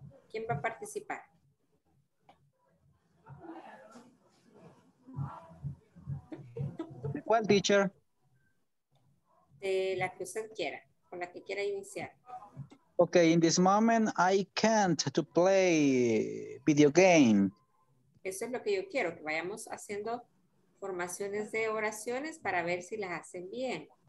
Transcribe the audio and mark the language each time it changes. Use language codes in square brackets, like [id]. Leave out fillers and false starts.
[es] ¿Quién va a participar? ¿Cuál, teacher? De la que usted quiera, con la que quiera iniciar. [en] Okay, in this moment I can't to play video game. [es] Eso es lo que yo quiero, que vayamos haciendo formaciones de oraciones para ver si las hacen bien.